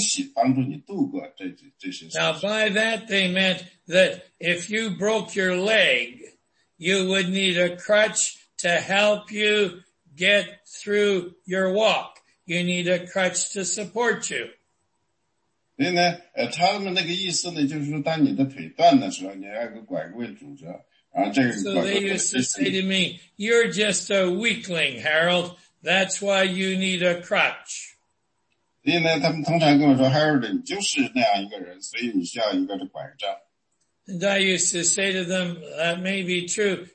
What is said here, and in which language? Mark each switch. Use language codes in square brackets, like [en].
[zh] 所以呢，他们认为呢，因为你是一个基督徒呢，你在基业人生里，你需要一样东西帮助你度过这些事情。 [en] Now by that they meant that if you broke your leg, you would need a crutch to help you get through your walk. You need a crutch to support you. [zh] 所以呢，他们那个意思呢，就是说，当你的腿断的时候，你要一个拐棍拄着，然后这个拐棍。 [en] So they used to say to me, "You're just a weakling, Harold. That's why you need a crutch." [zh] 所以呢，他们通常跟我说 ，Harold， 你就是那样一个人，所以你需要一个拐杖。 [en] And I used to say to them, "That may be true.